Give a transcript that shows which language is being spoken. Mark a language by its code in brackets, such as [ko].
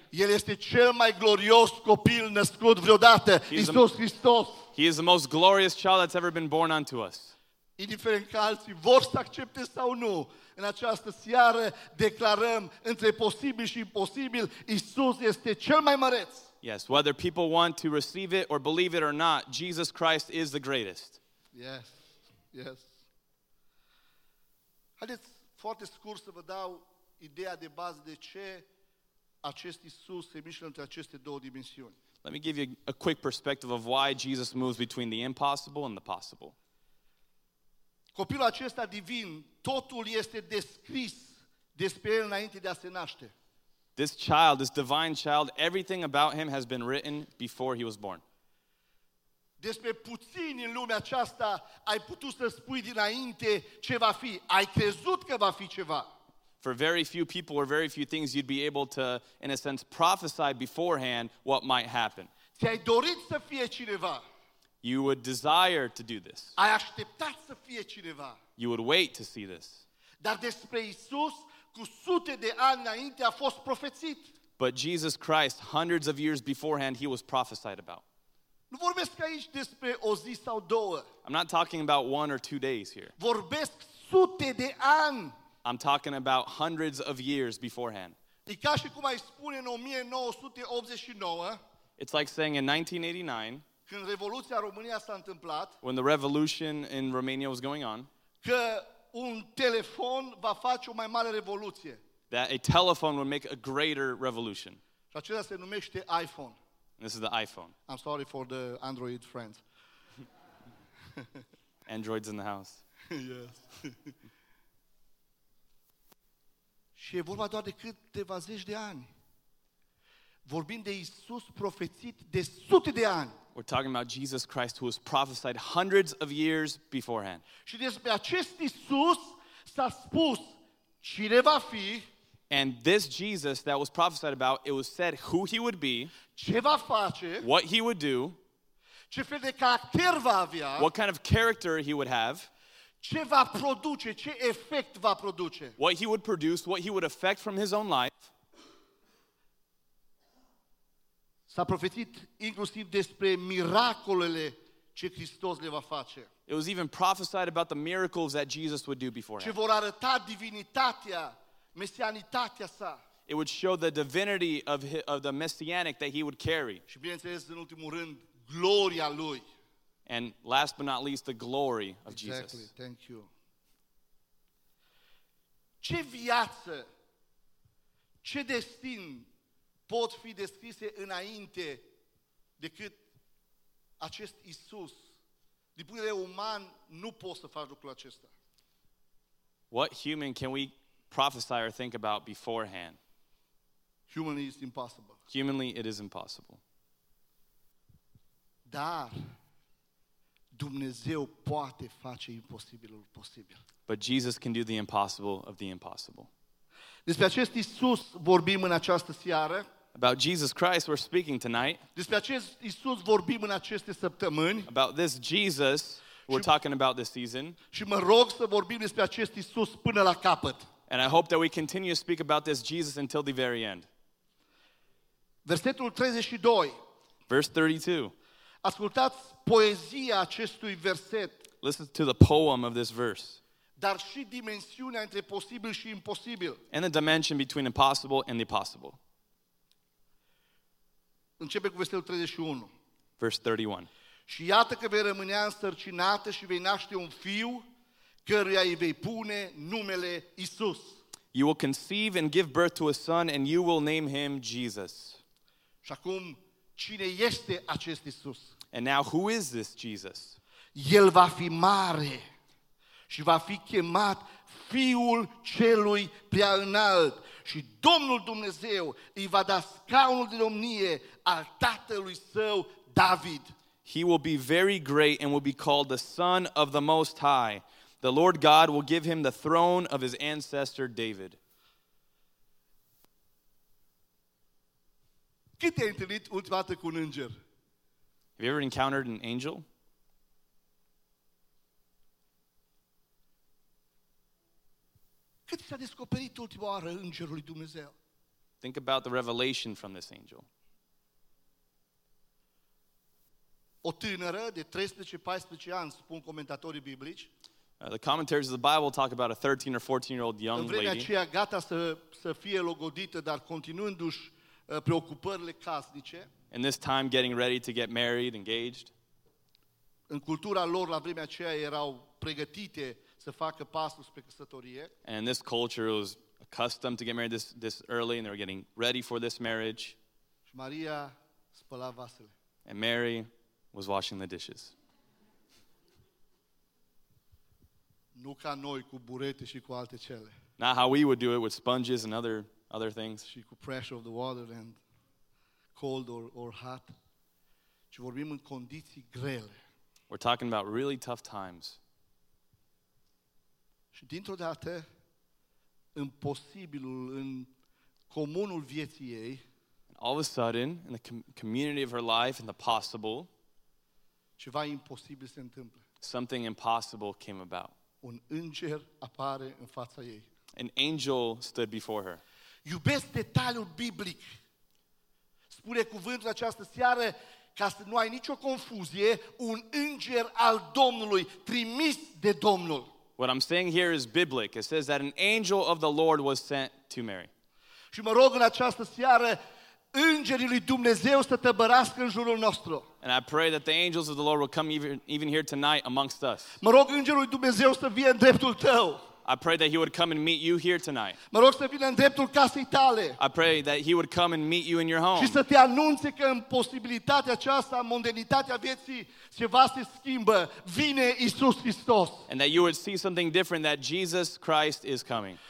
[ro] El este cel mai glorios copil născut vreodată, Iisus Hristos. [en] He is the most glorious child that's ever been born unto us. [ro] Indiferent că alții vor să accepte sau nu, în această seară declarăm între posibil și imposibil, Iisus este cel mai măreț. [en] Yes, whether people want to receive it or believe it or not, Jesus Christ is the greatest. Yes, yes. [ro] Haideți foarte scurt să vă dau ideea de bază de ce acest Iisus se mișcă între aceste două dimensiuni. [en] Let me give you a quick perspective of why Jesus moves between the impossible and the possible. [ro] Copilul acesta divin, totul este descris despre el înainte de a se naște. [en] This child, this divine child, everything about him has been written before he was born. [ro] Despre puțin în lumea aceasta ai putut să spui dinainte ce va fi. Ai crezut că va fi ceva. [en] For very few people or very few things you'd be able to, in a sense, prophesy beforehand what might happen. [ro] Ți-ai dorit să fie cineva. [en] You would desire to do this. [ro] Ai așteptat să fie cineva. [en] You would wait to see this. [ro] Dar despre Iisus, cu sute de ani înainte, a fost profețit. [en] But Jesus Christ, hundreds of years beforehand, he was prophesied about. [ro] Nu vorbesc aici despre o zi sau două. [en] I'm not talking about one or two days here. [ro] Vorbesc sute de ani. [en] I'm talking about hundreds of years beforehand. [ro] E ca și cum ai spune în 1989. [en] It's like saying in 1989. [ro] Când revoluția România s-a întâmplat. [en] When the revolution in Romania was going on. [ro] Că un telefon va face o mai mare revoluție. [en] That a telephone would make a greater revolution. [ro] Și acela se numește iPhone. [en] And this is the iPhone. I'm sorry for the Android friends. Android's in the house. Yes. [ro] Și e vorba doar de câteva zeci de ani. Vorbim de Iisus profețit de sute de ani. [en] We're talking about Jesus Christ, who was prophesied hundreds of years beforehand. [ro] Și despre acest Iisus s-a spus cine va fi. [en] And this Jesus that was prophesied about, it was said who he would be. [ro] Ce va face. [en] What he would do. [ro] Ce fel de caracter va avea. [en] What kind of character he would have. [ro] Ce va produce, ce efect va produce. [en] What he would produce, what he would affect from his own life. [ro] S-a profețit inclusiv despre miracolele ce Hristos le va face. [en] It was even prophesied about the miracles that Jesus would do beforehand. [ro] Ce vor arăta divinitatea, mesianitatea sa. [en] It would show the divinity of the messianic that he would carry. [ro] Și bineînțeles, în ultimul rând, gloria lui. [en] And last but not least, the glory of exactly. Jesus. Exactly, thank you. [ro] Ce viață, ce destin pot fi descrise înainte decât acest Iisus. Din punct de vedere uman, nu poți să faci lucrul acesta. [en] What human can we prophesy or think about beforehand? Humanly, it's impossible. Humanly, it is impossible. [ro] Dar Dumnezeu poate face imposibilul posibil. [en] But Jesus can do the impossible of the impossible. [ro] Despre acest Iisus vorbim în această seară. [en] About Jesus Christ we're speaking tonight. [ro] Despre acest Iisus vorbim în aceste săptămâni. [en] About this Jesus we're talking about this season. [ro] Și mă rog să vorbim despre acest Iisus până la capăt. [en] And I hope that we continue to speak about this Jesus until the very end. [ro] Versetul 32. [en] Verse 32. [ro] Ascultați poezia acestui verset. [en] Listen to the poem of this verse. [ro] Dar și dimensiunea între posibil și imposibil. [en] And the dimension between impossible and the possible. [ro] Începe cu versetul 31. [en] Verse 31. [ro] Și iată că vei rămâne însărcinată și vei naște un fiu căruia îi vei pune numele Iisus. [en] You will conceive and give birth to a son and you will name him Jesus. [ro] Și acum, cine este acest Iisus? [en] And now, who is this Jesus? [ro] El va fi mare și va fi chemat Fiul Celui Prea Înalt. Și Domnul Dumnezeu îi va da scaunul de domnie al tatălui său David. [en] He will be very great and will be called the Son of the Most High. The Lord God will give him the throne of his ancestor David. [ro] Cât te-ai întâlnit ultima dată cu un înger? [en] Have you ever encountered an angel? [ro] Cât s-a descoperit ultima oară îngerului Dumnezeu? [en] Think about the revelation from this angel. [ro] O tânără de 13-14 ani, spun comentatorii biblici. [en] The commentaries of the Bible talk about a 13 or 14-year-old young lady. [ro] În vremea aceea gata să fie logodită, dar continuându-și preocupările casnice. [en] In this time getting ready to get married, engaged. [ro] În cultura lor la vremea aceea erau pregătite să facă pasul spre căsătorie. [en] And in this culture it was accustomed to get married this early and they were getting ready for this marriage. [ro] Și Maria spăla vasele. [en] And Mary was washing the dishes. [ro] Nu ca noi cu burete și cu alte cele. [en] Not how we would do it with sponges and other things. [ro] Și cu [en] pressure of the water and cold or hot. [ro] Ci vorbim în condiții grele. [en] We're talking about really tough times. [ro] Și dintr-o dată, în posibilul, în comunul vieții ei, [en] and all of a sudden, in the community of her life, in the possible, [ro] ceva imposibil se întâmplă. [en] Something impossible came about. [ro] Un înger apare în fața ei. [en] An angel stood before her. [ro] Iubesc detaliul biblic. Spune cuvântul această seară, ca să nu ai nicio confuzie, un înger al Domnului, trimis de Domnul. [en] What I'm saying here is biblic. It says that an angel of the Lord was sent to Mary. [ro] Și mă rog în această seară, îngerii lui Dumnezeu să tăbărască în jurul nostru. [en] And I pray that the angels of the Lord will come even here tonight amongst us. [ro] Mă rog îngerul lui Dumnezeu să vie în dreptul tău. [en] I pray that he would come and meet you here tonight. [ro] Mă rog să vină în dreptul casei tale. [en] I pray that he would come and meet you in your home. [ro] Și să te anunțe că în posibilitatea aceasta, mondenitatea vieții, ceva se schimbă. Vine Iisus Hristos. [en] And that you would see something different, that Jesus Christ is coming.